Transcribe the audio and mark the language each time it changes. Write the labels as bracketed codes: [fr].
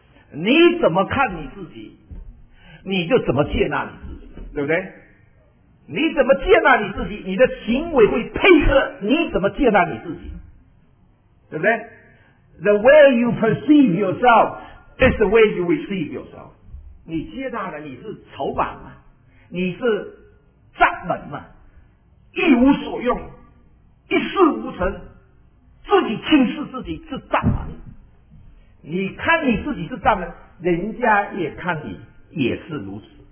[zh] 你怎么看你自己，你就怎么接纳你自己，对不对？你怎么接纳你自己，你的行为会配合你怎么接纳你自己，对不对？ [en] The way you perceive yourself is the way you receive yourself。 [zh] 你接纳了，你是筹码嘛，你是账本嘛，一无所用，一事无成，自己轻视自己是蚱蜢。你看你自己是蚱蜢，人家也看你也是如此。